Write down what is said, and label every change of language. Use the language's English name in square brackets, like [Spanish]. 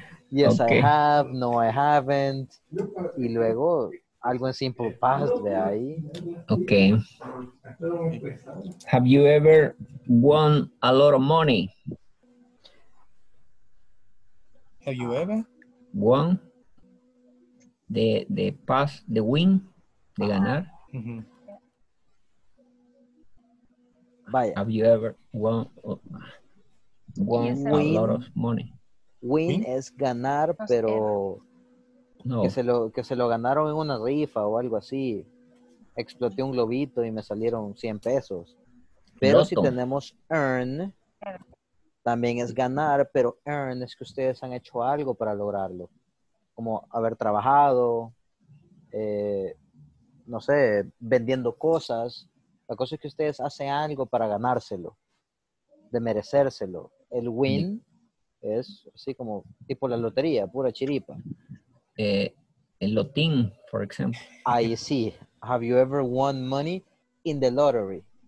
[English] Yes, okay. I have. No, I haven't. [Spanish] Y luego algo en simple past de ahí. Okay. [English] Have you ever won a lot of money? Have you ever won the past, the win, [Spanish] de ganar? [English] Mm-hmm. [Spanish] Vaya. [English] Have you ever won a lot of money? [Spanish] Win es ganar, pero no. que se lo ganaron en una rifa o algo así. Exploté un globito y me salieron 100 pesos. Pero Loto. Si tenemos earn, también es ganar, pero earn es que ustedes han hecho algo para lograrlo. Como haber trabajado, no sé, vendiendo cosas. La cosa es que ustedes hacen algo para ganárselo, de merecérselo. El win es así como tipo la lotería, pura chiripa. El lotín, por ejemplo. Ahí sí. [English] Have you ever won money in the lottery?